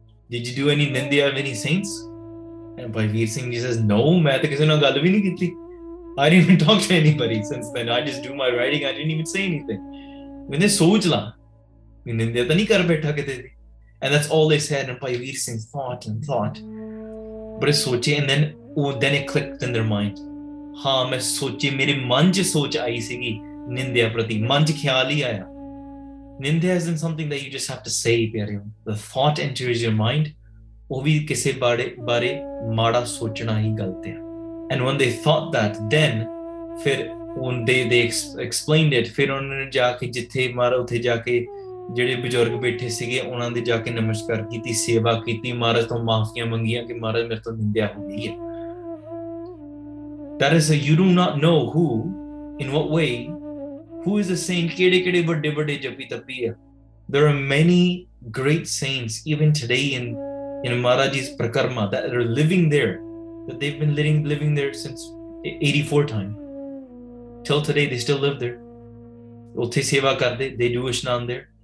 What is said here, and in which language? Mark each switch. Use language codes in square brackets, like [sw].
[en] Did you do any nindya of any saints? And Bhai Veer Singh ji says, no, [pa] main ta kise na gal vi nahi kiti. [en] I didn't even talk to anybody since then. I just do my writing. I didn't even say anything. [pa] Mene soch la, main nindya ta nahi kar baitha kite. [en] And that's all they said. And Bhai Veer Singh thought and thought. But soche, and then it clicked in their mind. [pa] ਹਾਂ ਮੈਂ ਸੋਚੀ ਮੇਰੇ ਮਨ ਚ ਸੋਚ ਆਈ ਸੀਗੀ ਨਿੰਦਿਆ ਪ੍ਰਤੀ ਮਨ ਚ ਖਿਆਲ ਹੀ ਆਇਆ ਨਿੰਦਿਆ [en] is in something that you just have to say ਪਿਆਰੇ the thought enters your mind [pa] ਉਹ ਵੀ ਕਿਸੇ ਬਾਰੇ ਮਾੜਾ ਸੋਚਣਾ ਹੀ ਗਲਤ ਆ [en] and when ਦੇ thought that then [pa] ਫਿਰ [en] they explained it [pa] ਫਿਰ ਉਹਨਾਂ ਨੇ ਜਾ ਕੇ ਜਿੱਥੇ ਮਹਾਰਾਜ ਉੱਥੇ ਜਾ ਕੇ ਜਿਹੜੇ ਬਜ਼ੁਰਗ ਬੈਠੇ ਸੀਗੇ ਉਹਨਾਂ ਦੇ ਜਾ ਕੇ ਨਮਸਕਾਰ ਕੀਤੀ ਸੇਵਾ ਕੀਤੀ ਮਹਾਰਾਜ ਤੋਂ ਮਾਫੀਆਂ ਮੰਗੀਆਂ ਕਿ ਮਹਾਰਾਜ ਮੇਰੇ ਤੋਂ ਨਿੰਦਿਆ ਹੋ ਗਈ ਹੈ [en] That is, you do not know who, in what way, who is a saint. There are many great saints, even today in Maharaji's Prakarma, that are living there, that they've been living there since 84 time. Till today, they still live there. [pa] Utthe seva karde, [en] they do ishnan there.